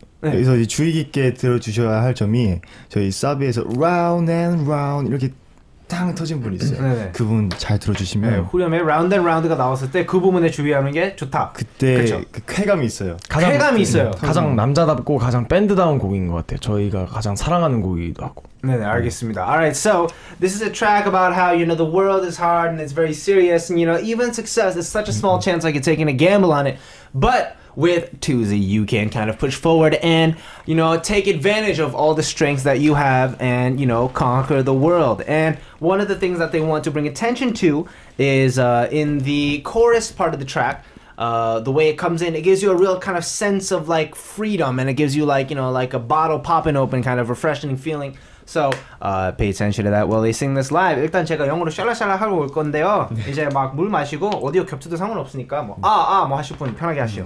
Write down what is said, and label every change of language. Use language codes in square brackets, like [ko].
[ko] 여기서 네. 주의 깊게 들어주셔야 할 점이 저희 사비에서 round and round 이렇게 탕 터진 분이 있어요. 네네. 그분 잘 들어주시면 네, 후렴에 round and round가 나왔을 때 그 부분에 주의하는 게 좋다. 그때 그쵸? 그 쾌감이 있어요. 가장, 쾌감이 있어요. 네, 가장 남자답고 가장 밴드다운 곡인 것 같아요. 저희가 가장 사랑하는 곡이기도 하고. 네네 알겠습니다. [en] Alright, so this is a track about how you know the world is hard and it's very serious and you know even success is such a small chance like you're taking a gamble on it. But with Tuzi, you can kind of push forward and, you know, take advantage of all the strengths that you have and, you know, conquer the world. And one of the things that they want to bring attention to is in the chorus part of the track, the way it comes in, it gives you a real kind of sense of, like, freedom. And it gives you, like, you know, like a bottle popping open kind of refreshing feeling. So, pay attention to that while they sing this live. [ko] 일단 제가 영어로 샬라샬라 하고 올 건데요. 이제 막 물 마시고 오디오 겹쳐도 상관없으니까 뭐 뭐 하실 분 편하게 하시오.